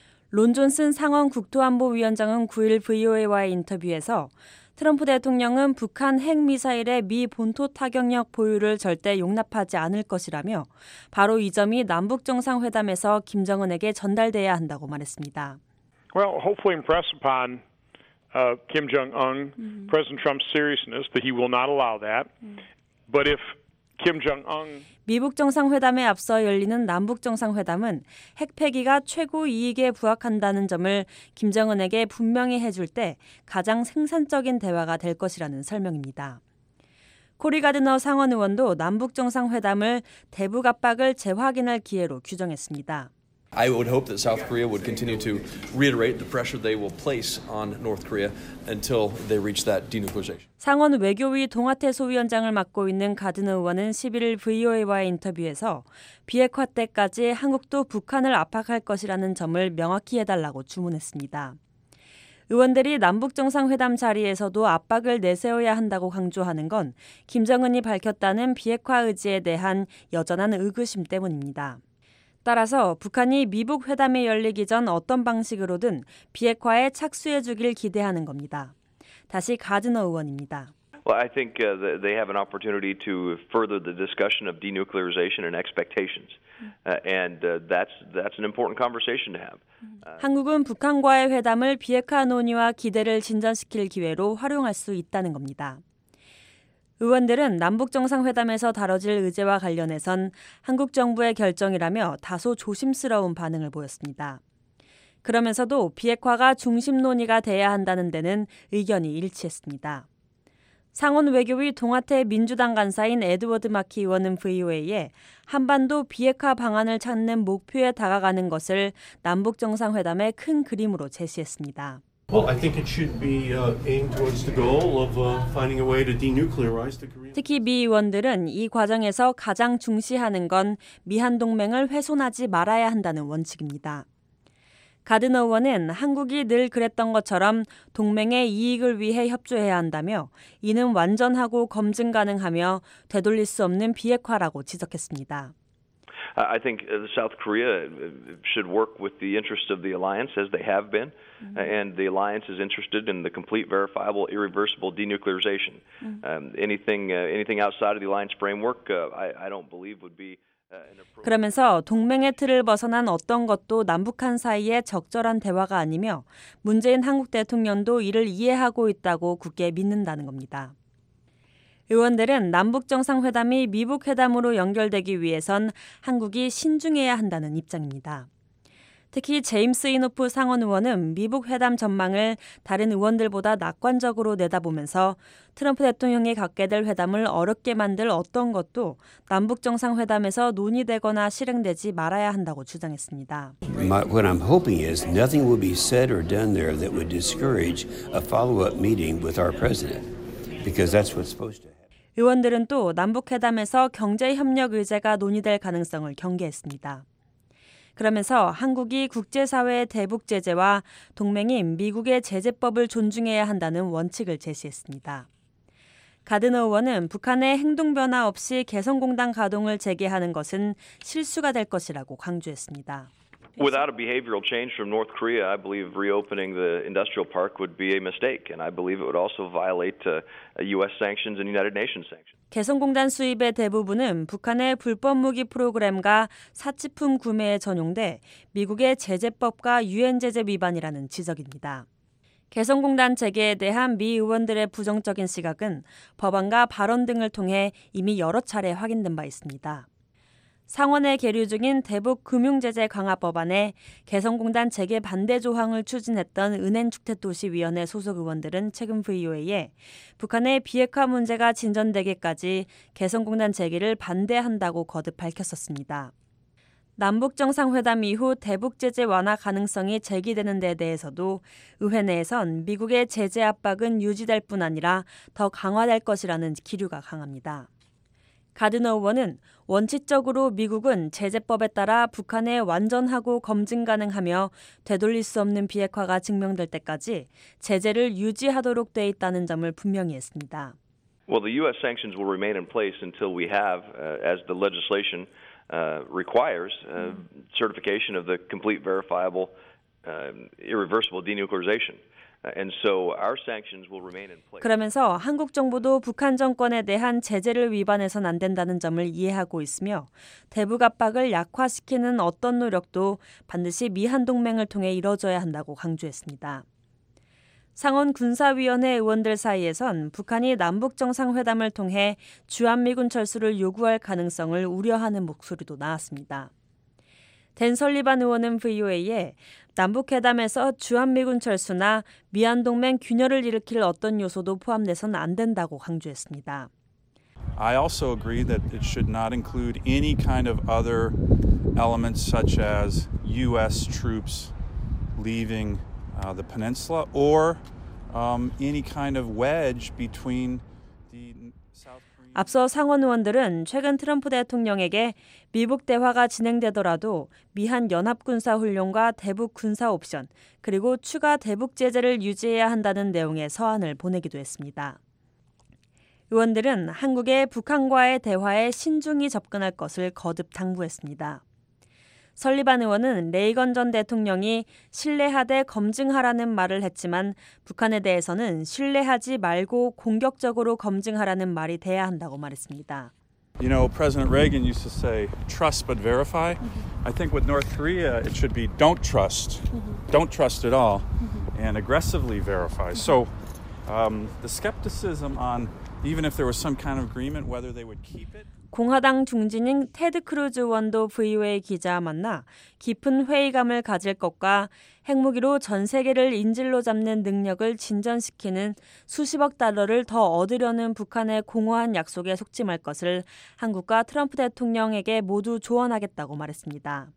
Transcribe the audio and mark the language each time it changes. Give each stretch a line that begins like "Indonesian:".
Korean: 론 존슨 상원 국토안보위원장은 9일 VOA와의 인터뷰에서 트럼프 대통령은 북한 핵미사일의 미 본토 타격력 보유를 절대 용납하지 않을 것이라며 바로 이 점이 남북정상회담에서 김정은에게 전달돼야 한다고 말했습니다.
English: Well, hopefully impress upon Kim Jong-un, President Trump's seriousness that he will not allow that. But if Kim Jong-un
Korean: 미북 정상회담에 앞서 열리는 남북 정상회담은 핵폐기가 최고 이익에 부합한다는 점을 김정은에게 분명히 해줄 때 가장 생산적인 대화가 될 것이라는 설명입니다. 코리 가드너 상원 의원도 남북 정상회담을 대북 압박을 재확인할 기회로 규정했습니다.
English: I would hope that South Korea would continue to reiterate the pressure they will place on North Korea until they reach that denuclearization.
Korean: 상원 외교위 동아태 소위원장을 맡고 있는 가드너 의원은 11일 VOA와의 인터뷰에서 비핵화 때까지 한국도 북한을 압박할 것이라는 점을 명확히 해달라고 주문했습니다. 의원들이 남북정상회담 자리에서도 압박을 내세워야 한다고 강조하는 건 김정은이 밝혔다는 비핵화 의지에 대한 여전한 의구심 때문입니다. 따라서 북한이 미북 회담이 열리기 전 어떤 방식으로든 비핵화에 착수해 주길 기대하는 겁니다. 다시 가드너 의원입니다.
English: Well, I think they have an opportunity to further the discussion of denuclearization and expectations. And that's an important conversation to have.
Korean: 한국은 북한과의 회담을 비핵화 논의와 기대를 진전시킬 기회로 활용할 수 있다는 겁니다. 의원들은 남북정상회담에서 다뤄질 의제와 관련해선 한국 정부의 결정이라며 다소 조심스러운 반응을 보였습니다. 그러면서도 비핵화가 중심 논의가 돼야 한다는 데는 의견이 일치했습니다. 상원 외교위 동아태 민주당 간사인 에드워드 마키 의원은 VOA에 한반도 비핵화 방안을 찾는 목표에 다가가는 것을 남북정상회담의 큰 그림으로 제시했습니다.
English: Well, I think it should be aimed towards the goal of finding a way to denuclearize the Korean.
Korean: 특히 미 의원들은 이 과정에서 가장 중시하는 건 미한 동맹을 훼손하지 말아야 한다는 원칙입니다. 가드너 의원은 한국이 늘 그랬던 것처럼 동맹의 이익을 위해 협조해야 한다며 이는 완전하고 검증 가능하며 되돌릴 수 없는 비핵화라고 지적했습니다.
English: I think South Korea should work with the interests of the alliance as they have been. And the alliance is interested in the complete, verifiable, irreversible denuclearization. Anything outside of the alliance framework, I don't believe would be.
Korean: 그러면서 동맹의 틀을 벗어난 어떤 것도 남북한 사이에 적절한 대화가 아니며 문재인 한국 대통령도 이를 이해하고 있다고 굳게 믿는다는 겁니다. 의원들은 남북정상회담이 미북회담으로 연결되기 위해선 한국이 신중해야 한다는 입장입니다. 특히 제임스 이노프 상원 의원은 미북회담 전망을 다른 의원들보다 낙관적으로 내다보면서 트럼프 대통령이 갖게 될 회담을 어렵게 만들 어떤 것도 남북정상회담에서 논의되거나 실행되지 말아야 한다고 주장했습니다.
English: What I'm hoping is nothing will be said or done there that would discourage a follow-up meeting with our president. Because that's what's supposed to happen.
Korean: 의원들은 또 남북회담에서 경제협력 의제가 논의될 가능성을 경계했습니다. 그러면서 한국이 국제사회의 대북 제재와 동맹인 미국의 제재법을 존중해야 한다는 원칙을 제시했습니다. 가드너 의원은 북한의 행동 변화 없이 개성공단 가동을 재개하는 것은 실수가 될 것이라고 강조했습니다.
English: Without a behavioral change from North Korea, I believe reopening the industrial park would be a mistake, and I believe it would also violate U.S. sanctions and United Nations sanctions.
Korean: 개성공단 수입의 대부분은 북한의 불법 무기 프로그램과 사치품 구매에 전용돼 미국의 제재법과 유엔 제재 위반이라는 지적입니다. 개성공단 재개에 대한 미 의원들의 부정적인 시각은 법안과 발언 등을 통해 이미 여러 차례 확인된 바 있습니다. 상원에 계류 중인 대북 금융제재 강화 법안에 개성공단 재개 반대 조항을 추진했던 은행주택도시위원회 소속 의원들은 최근 VOA에 북한의 비핵화 문제가 진전되기까지 개성공단 재개를 반대한다고 거듭 밝혔었습니다. 남북정상회담 이후 대북 제재 완화 가능성이 제기되는 데 대해서도 의회 내에선 미국의 제재 압박은 유지될 뿐 아니라 더 강화될 것이라는 기류가 강합니다. 가드너 의원은 원칙적으로 미국은 제재법에 따라 북한에 완전하고 검증 가능하며 되돌릴 수 없는 비핵화가 증명될 때까지 제재를 유지하도록 돼 있다는 점을 분명히 했습니다.
English: Well, the U.S. sanctions will remain in place until we have, as the legislation requires, certification of the complete, verifiable, irreversible denuclearization. And so our sanctions will remain in place.
Korean: 그러면서 한국 정부도 북한 정권에 대한 제재를 위반해서는 안 된다는 점을 이해하고 있으며 대북 압박을 약화시키는 어떤 노력도 반드시 미한 동맹을 통해 이뤄져야 한다고 강조했습니다. 상원 군사위원회 의원들 사이에선 북한이 남북정상회담을 통해 주한미군 철수를 요구할 가능성을 우려하는 목소리도 나왔습니다. 댄 설리반 의원은 VOA에 남북회담에서 주한미군 철수나 미한동맹 균열을 일으킬 어떤 요소도 포함돼선 안 된다고 강조했습니다.
English: I also agree that it should not include any kind of other elements such as U.S. troops leaving the peninsula or any kind of wedge between the South Korean.
Korean: 앞서 상원 의원들은 최근 트럼프 대통령에게 미북 대화가 진행되더라도 미한 연합 군사 훈련과 대북 군사 옵션 그리고 추가 대북 제재를 유지해야 한다는 내용의 서한을 보내기도 했습니다. 의원들은 한국의 북한과의 대화에 신중히 접근할 것을 거듭 당부했습니다. 설리반 의원은 레이건 전 대통령이 신뢰하되 검증하라는 말을 했지만 북한에 대해서는 신뢰하지 말고 공격적으로 검증하라는 말이 돼야 한다고 말했습니다.
English: You know, President Reagan used to say, trust but verify. I think with North Korea, it should be don't trust. Don't trust at all and aggressively verify. So the skepticism on even if there was some kind of agreement, whether they would keep it.
Korean: 공화당 중진인 테드 크루즈 의원도 VOA 기자와 만나 깊은 회의감을 가질 것과 핵무기로 전 세계를 인질로 잡는 능력을 진전시키는 수십억 달러를 더 얻으려는 북한의 공허한 약속에 속지 말 것을 한국과 트럼프 대통령에게 모두 조언하겠다고 말했습니다.